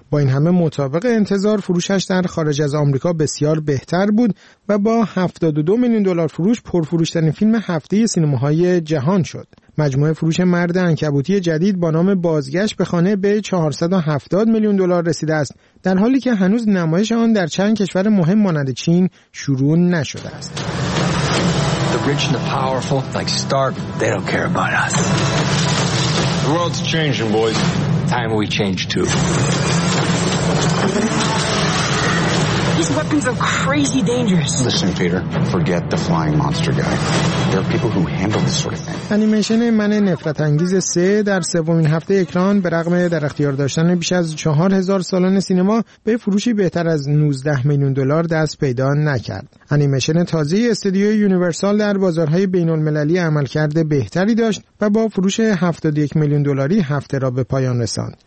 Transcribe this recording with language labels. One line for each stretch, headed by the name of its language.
Persian: با این همه مطابق انتظار فروشش در خارج از آمریکا بسیار بهتر بود و با 72 میلیون دلار فروش پرفروش‌ترین فیلم هفته سینماهای جهان شد. مجموعه فروش مرد عنکبوتی جدید با نام بازگشت به خانه به 470 میلیون دلار رسیده است، در حالی که هنوز نمایش آن در چند کشور مهم مانند چین شروع نشده است.
English: The rich and the powerful, like Stark, they don't care about us. The world's changing, boys. Time we change too. These weapons are crazy dangerous. Listen, Peter, forget the flying monster guy. There are people who handle this sort of thing.
Persian: انیمیشن من نفرت انگیز 3 در سومین هفته اکران به رغم در اختیار داشتن بیش از 4000 سالن سینما به فروشی بهتر از 19 میلیون دلار دست پیدا نکرد. انیمیشن تازه استودیو یونیورسال در بازارهای بین المللی عمل کرده بهتری داشت و با فروش 71 میلیون دلاری هفته را به پایان رساند.